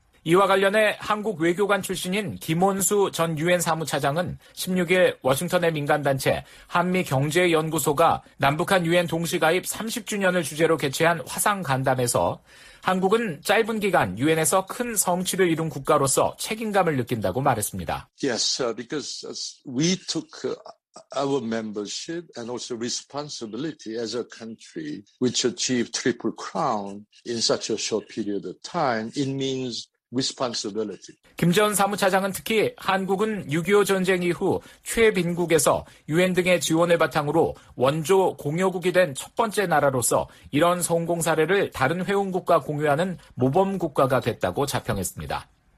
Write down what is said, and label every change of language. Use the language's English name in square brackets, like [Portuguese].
[Korean] 이와 관련해 한국 외교관 출신인 김원수 전 유엔 사무차장은 16일 워싱턴의 민간단체 한미경제연구소가 남북한 유엔 동시가입 30주년을 주제로 개최한 화상간담에서 한국은 짧은 기간 유엔에서 큰 성취를 이룬 국가로서 책임감을 느낀다고 말했습니다. [English] Yes, because we took our membership and also responsibility as a country which achieved triple crown in such a short period of time. It means responsibility. [Korean] 김 전 사무차장은 특히 한국은 6.25 전쟁 이후 최빈국에서 유엔 등의 지원을 바탕으로 원조 공여국이 된 첫 번째 나라로서 이런 성공 사례를 다른 회원국과 공유하는 모범 국가가 됐다고 자평했습니다.